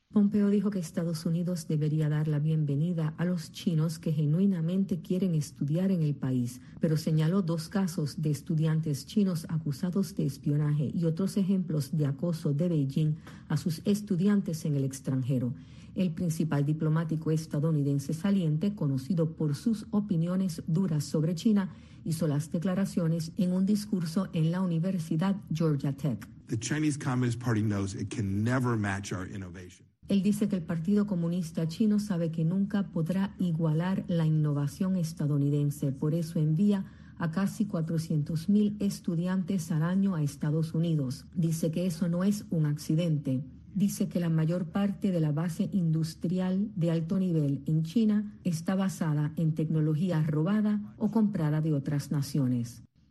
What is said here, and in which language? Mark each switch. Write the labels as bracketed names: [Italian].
[Spanish] Pompeo dijo que Estados Unidos debería dar la bienvenida a los chinos que genuinamente quieren estudiar en el país, pero señaló dos casos de estudiantes chinos acusados de espionaje y otros ejemplos de acoso de Beijing a sus estudiantes en el extranjero. El principal diplomático estadounidense saliente, conocido por sus opiniones duras sobre China, hizo las declaraciones en un discurso en la Universidad Georgia Tech. [English] The Chinese Communist Party knows it can never match our innovation. [Spanish] Él dice que el Partido Comunista Chino sabe que nunca podrá igualar la innovación estadounidense. Por eso envía a casi 400,000 estudiantes al año a Estados Unidos. Dice que eso no es un accidente. Dice que la mayor parte de la base industrial de alto nivel en China está basada en tecnología robada o comprada de otras naciones.